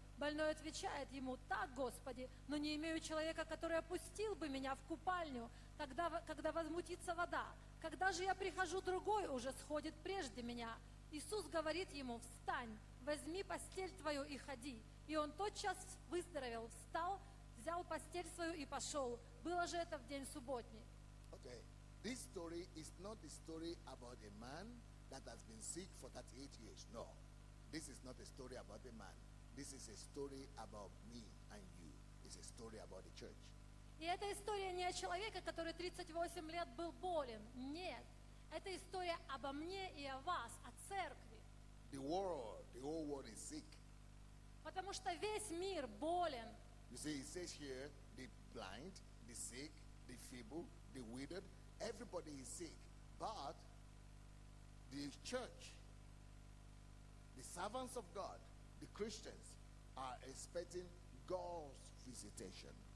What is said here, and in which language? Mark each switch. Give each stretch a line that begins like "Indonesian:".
Russian: Больной отвечает ему: «Так, Господи, но не имею человека, который опустил бы меня в купальню, когда возмутится вода. Когда же я прихожу, другой уже сходит прежде меня». Иисус говорит ему: «Встань, возьми постель твою и ходи». И он тотчас выздоровел, встал, взял постель свою и пошел. Было же это в день субботний.
English: Okay. This story is not the story about a man that has been sick for 38 years. No. This is not a story about a man. This is a story about me and you. It's a story about the church.
Russian: И эта история не о человеке, который 38 лет был болен. Нет. Это история обо мне и о вас, о церкви.
English: The world, the whole world is sick.
Russian: Потому что весь мир болен.
English: You see, it says here, the blind, the sick, the feeble, the withered, everybody is sick. But the church, the servants of God, the Christians, are expecting God's visitation.